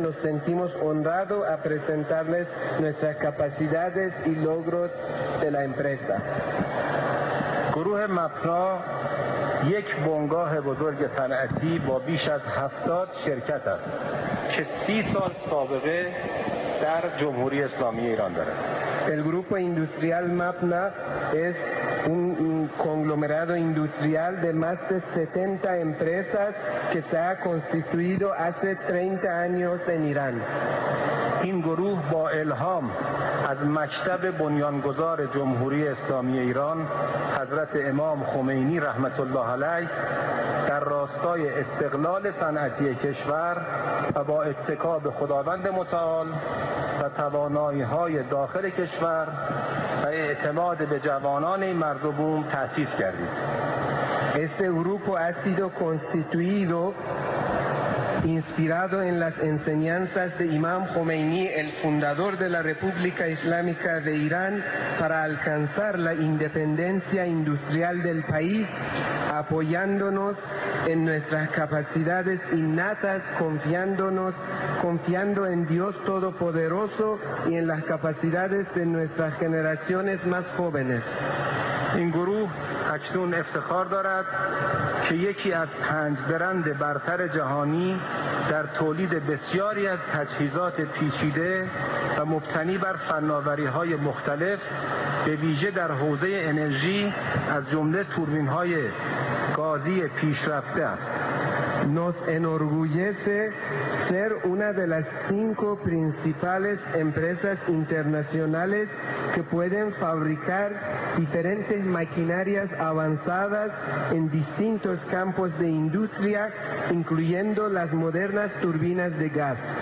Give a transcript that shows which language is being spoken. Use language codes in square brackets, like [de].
[es] Nos sentimos honrados a presentarles nuestras capacidades y logros de la empresa. [fa] گروه مپنا یک بنگاه بزرگ صنعتی با بیش از 70 شرکت است که 30 سال سابقه در جمهوری اسلامی ایران دارد. [es] El grupo industrial Mapna es un conglomerado industrial de más de 70 empresas que se ha constituido hace 30 años en Irán. [fa] این گروه با الهام از مکتب بنیانگذار جمهوری اسلامی ایران حضرت امام خمینی رحمت الله علیه در راستای استقلال صنعتی کشور و با اتکا به خداوند متعال و توانایی های داخل کشور و اعتماد به جوانان این مرز و بوم تأسیس کردید. [es] Este grupo ha sido constituido inspirado en las enseñanzas de Imam Khomeini, el fundador de la República Islámica de Irán, para alcanzar la independencia industrial del país, apoyándonos en nuestras capacidades innatas, confiando en Dios Todopoderoso y en las capacidades de nuestras generaciones más jóvenes. [fa] این گروه اکنون افتخار دارد که یکی از 5 برند برتر جهانی در تولید بسیاری از تجهیزات پیچیده و مبتنی بر فناوری‌های مختلف به ویژه در حوزه انرژی از جمله توربین‌های گازی پیشرفته است. [es] Nos enorgullece ser una de las 5 principales empresas internacionales que pueden fabricar diferentes maquinarias avanzadas en distintos campos de industria, incluyendo las modernas turbinas de gas.